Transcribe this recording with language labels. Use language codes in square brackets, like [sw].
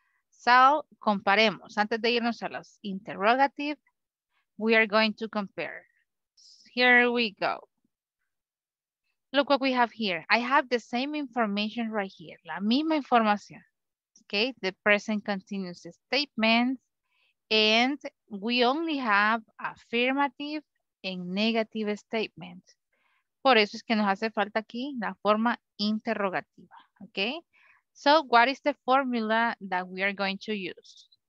[en] So, [es] comparemos. Antes de irnos a los [en] interrogative, we are going to compare. Here we go. Look what we have here. I have the same information right here. [es] La misma información. [en] Okay, the present continuous statement. And we only have affirmative and negative statements. [es] Por eso es que nos hace falta aquí la forma interrogativa. [en] Okay. So, what is the formula that we are going to use?